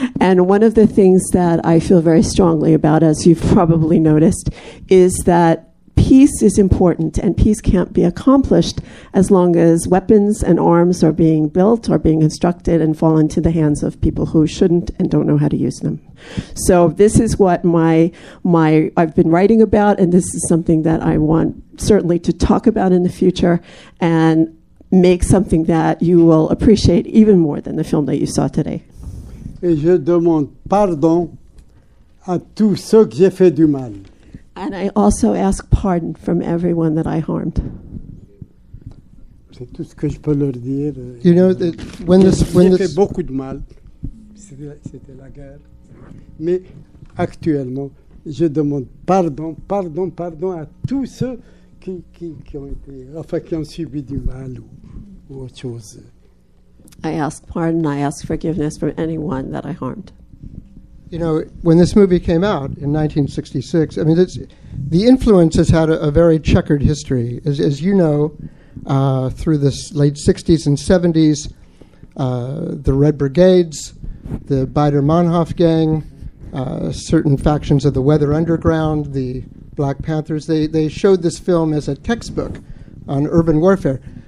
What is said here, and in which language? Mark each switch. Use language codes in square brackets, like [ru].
[en] And one of the things that I feel very strongly about, as you've probably noticed, is that peace is important, and peace can't be accomplished as long as weapons and arms are being built or being constructed and fall into the hands of people who shouldn't and don't know how to use them. So this is what my I've been writing about, and this is something that I want certainly to talk about in the future and make something that you will appreciate even more than the film that you saw today. [fr] Et je demande pardon à tous ceux que j'ai fait du mal. [en] And I also ask pardon from everyone that I harmed. [fr] C'est tout ce que je peux leur dire. [en] You know that when [fr] j'ai fait beaucoup de mal, c'était la guerre. Mais actuellement, je demande pardon à tous ceux qui ont été, enfin qui ont subi du mal ou autre chose. [en] I ask pardon. I ask forgiveness from anyone that I harmed. You know, when this movie came out in 1966, I mean, the influence has had a very checkered history. As you know, through the late 60s and 70s, the Red Brigades, the Baader-Meinhof gang, certain factions of the Weather Underground, the Black Panthers, they showed this film as a textbook on urban warfare.